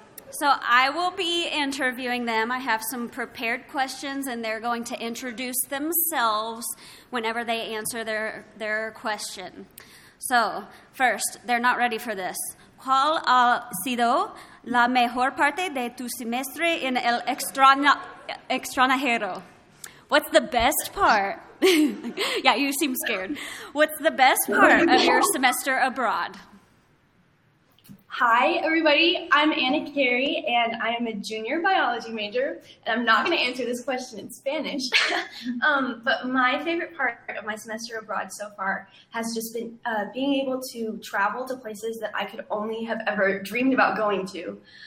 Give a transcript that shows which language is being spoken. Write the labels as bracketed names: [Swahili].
[English] So I will be interviewing them. I have some prepared questions, and they're going to introduce themselves whenever they answer their question. So first, they're not ready for this. [Spanish] ¿Cuál ha sido la mejor parte de tu semestre en el extranjero? [English] What's the best part? Yeah, you seem scared. What's the best part of your semester abroad? Hi, everybody. I'm Anna Carey, and I am a junior biology major, and I'm not going to answer this question in Spanish. but my favorite part of my semester abroad so far has just been being able to travel to places that I could only have ever dreamed about going to.